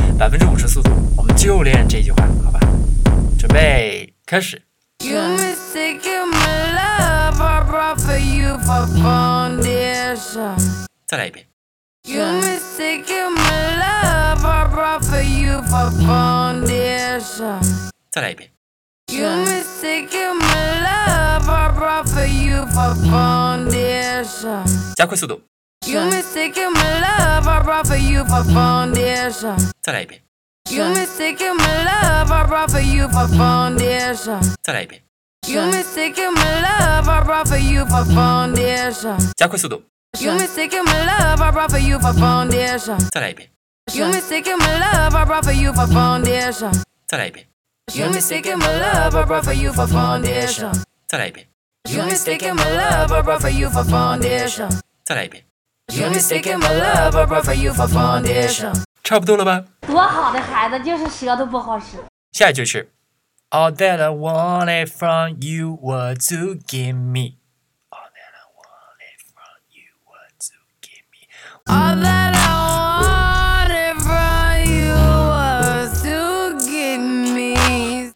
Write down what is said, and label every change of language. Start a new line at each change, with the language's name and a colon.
Chinese: 50%速度，我们就练这句话，好吧？准备开始。
English: You mistaken my love, I brought for you for foundation.
Chinese: 再来一遍。
English: You mistaken my love, I brought for you for foundation.
Chinese: 再来一遍。
English: You You mistaken my love, I brought for you for foundation.
Chinese: 加快速度。
English: You mistaken my love, I brought for you for foundation.
Chinese: 再来一遍。
English: You mistaken my love, I brought for you for foundation.
Chinese: 再来一遍。
English: You mistaken my love, I brought for you for foundation.
Chinese: 加快速度。
English: You mistaken my love, I brought for you for foundation.
Chinese: 再来一遍。
English: You mistaken my love, I brought for you for foundation.
Chinese: 再来一遍。
English: You mistaken my love, I brought for you for foundation.
Chinese: 再来一遍。
English: You mistaken my love, I brought for you for foundation.
Chinese: 再来一遍。
English: You mistaken my love, I brought for you for foundation.
Chinese: 差不多了吧？多好的孩子，就是舌头不好使。下一句是。
English: All that I wanted from you was to gimme. All that I wanted from you was to gimme. All that I wanted from you was to gimme.